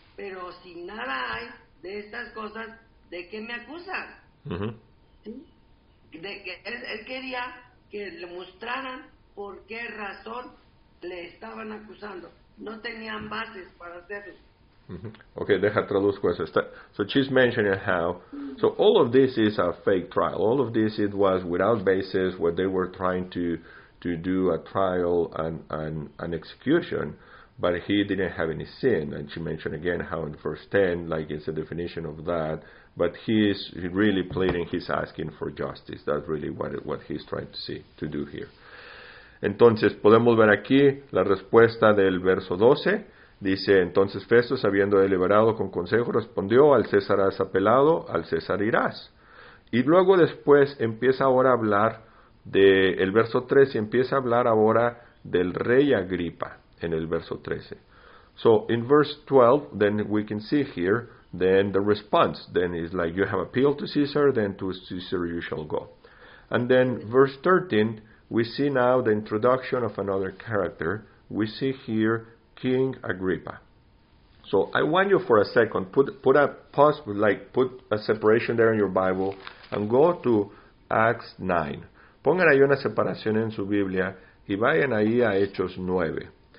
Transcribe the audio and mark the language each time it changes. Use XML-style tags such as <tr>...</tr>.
<es>Pero si nada hay de estas cosas, ¿de qué me acusan? ¿Sí? De que él quería que le mostraran por qué razón le estaban acusando. No tenían bases para hacerlo. Okay, deja traduzco eso.</es> <en>So she's mentioning how, so all of this is a fake trial. All of this, it was without basis, where they were trying to do a trial and an execution, but he didn't have any sin. And she mentioned again how in verse 10, like, it's a definition of that, but he's really pleading, he's asking for justice. That's really what he's trying to do here. Entonces, podemos ver aquí la respuesta del verso 12. Dice, entonces Festo, habiendo deliberado con consejo, respondió, al César has apelado, al César irás. Y luego después empieza ahora a hablar del verso 13, empieza a hablar ahora del rey Agripa, en el verso 13. So, in verse 12, then we can see here, then the response, then it's like, you have appealed to Caesar, then to Caesar you shall go. And then, verse 13, we see now the introduction of another character. We see here King Agrippa. So I want you for a second, put a pause, like put a separation there in your Bible, and go to Acts 9.</en> <es>Pongan ahí una separación en su Biblia y vayan ahí a Hechos 9.</es>